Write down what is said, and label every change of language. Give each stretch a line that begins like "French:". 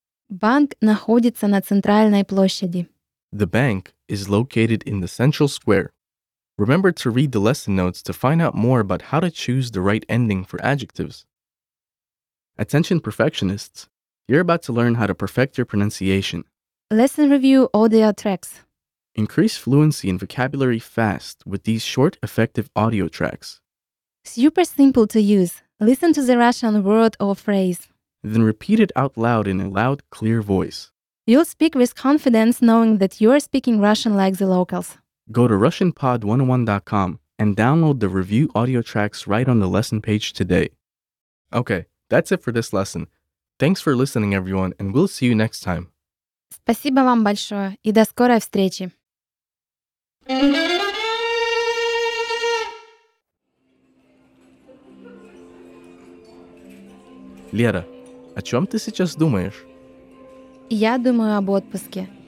Russian: банк находится на центральной площади.
English: The bank is located in the central square. Remember to read the lesson notes to find out more about how to choose the right ending for adjectives. Attention perfectionists, you're about to learn how to perfect your pronunciation. Lesson review audio tracks. Increase fluency and vocabulary fast with these short, effective audio tracks. Super simple to use. Listen to the Russian word or phrase. Then repeat it out loud in a loud, clear voice. You'll speak with confidence knowing that you're speaking Russian like the locals. Go to RussianPod101.com and download the review audio tracks right on the lesson page today. Okay, that's it for this lesson. Thanks for listening, everyone, and we'll see you next time.
Russian: Спасибо вам большое и до скорой встречи. Лера, о чем ты сейчас думаешь? Я думаю об отпуске.